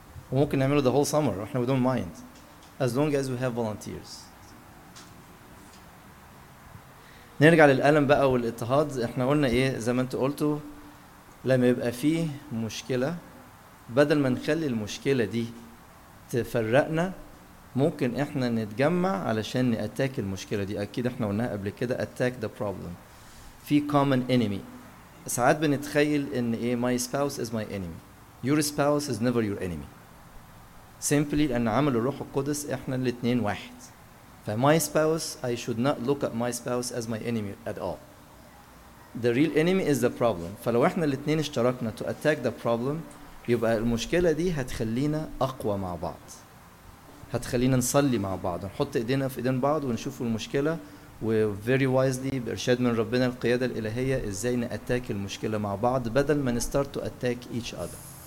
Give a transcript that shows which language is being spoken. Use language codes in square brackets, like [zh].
[en] We can do the whole summer, we don't mind. As long as we have volunteers. [ar] نرجع للألم بقى والاضطهاد. احنا قلنا ايه زي ما انتوا قلتوا لما يبقى فيه مشكلة بدل ما نخلي المشكلة دي تفرقنا ممكن احنا نتجمع علشان نأتاك المشكلة دي. اكيد احنا قلناها قبل كده [en] attack the problem. [ar] في [en] common enemy. [ar] ساعات بنتخيل ان ايه [en] my spouse is my enemy. Your spouse is never your enemy. Simply, [ar] لأن عمل الروح القدس إحنا الاثنين واحد. [en] فmy spouse, I should not look at my spouse as my enemy at all. The real enemy is the problem. [ar] فلو إحنا الاثنين اشتركنا [en] to attack the problem, [ar] يبقى المشكلة دي هتخلينا أقوى مع بعض. هتخلينا نصلي مع بعض. نحط إيدينا في إيدين بعض ونشوف المشكلة. و [en] very wisely [ar] بإرشاد من ربنا القيادة الإلهية إزاي نأتاك المشكلة مع بعض بدل ما نستارت [en] to attack each other.